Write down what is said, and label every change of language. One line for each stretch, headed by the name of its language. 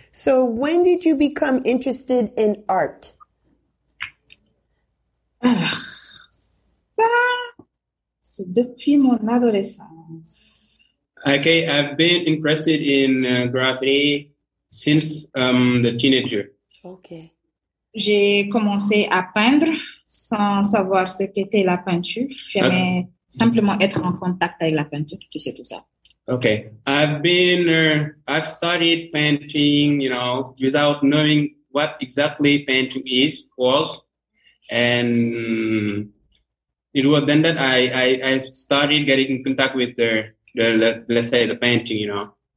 English: So when did you become interested in art?
French: Ça, c'est depuis mon adolescence.
English: Okay, I've been interested in graffiti since the teenager. Okay.
French: J'ai commencé à peindre sans savoir ce qu'était la peinture. J'aimais simplement être en contact avec la peinture, tu sais tout ça.
English: Okay. I've studied painting, you know, without knowing what exactly painting was. And it was then that I started getting in contact with let's say the painting, you know.